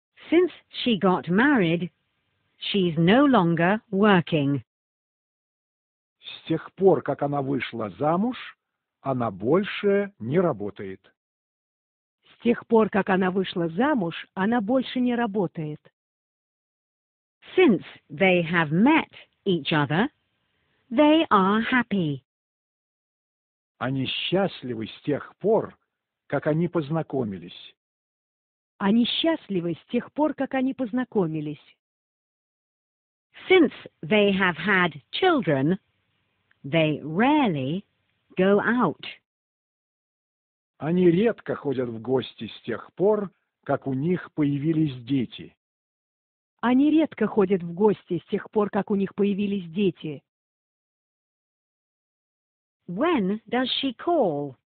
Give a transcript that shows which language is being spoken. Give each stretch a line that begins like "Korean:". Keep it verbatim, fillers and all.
English: Since she got married, she's no longer working.
Russian: С тех пор, как она вышла замуж, она больше не работает. С тех пор, как она вышла замуж, она больше не работает.
English: Since they have met each other, they are happy.
Russian: Они счастливы с тех пор, как они познакомились. Они счастливы с тех пор, как они познакомились.
English: Since they have had children, they rarely go out.
Russian: Они редко ходят в гости с тех пор, как у них появились дети. Они редко ходят в гости с тех пор, как у них появились дети.
English: When does she call?